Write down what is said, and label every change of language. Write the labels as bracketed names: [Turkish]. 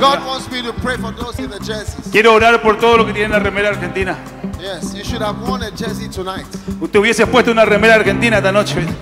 [English] God wants me to pray for those in the jerseys. [Spanish] Quiero orar por todo lo que tiene la remera argentina. [English] Yes, you should have worn a jersey tonight. [Spanish] Usted hubiese puesto una remera argentina esta noche.